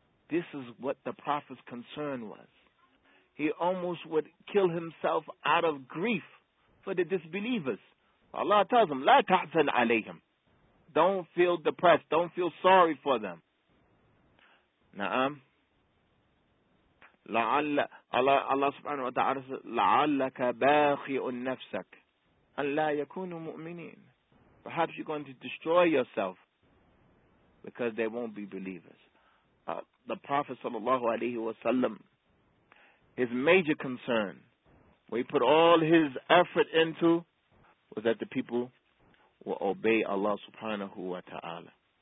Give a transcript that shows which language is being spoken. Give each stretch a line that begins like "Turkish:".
English: This is what the Prophet's concern was. He almost would kill himself out of grief for the disbelievers. Allah tells him,
Arabic: لَا تَحْزَنْ عَلَيْهِمْ.
English: Don't feel depressed. Don't feel sorry for them. Allah subhanahu wa ta'ala says,
Arabic: لَعَلَّكَ بَاخِعٌ نَفْسَكَ أَن لَا يَكُونُوا مُؤْمِنِينَ.
English: Perhaps you're going to destroy yourself because they won't be believers. The Prophet sallallahu alayhi wa sallam, his major concern, where he put all his effort into, was that the people will obey Allah subhanahu wa ta'ala.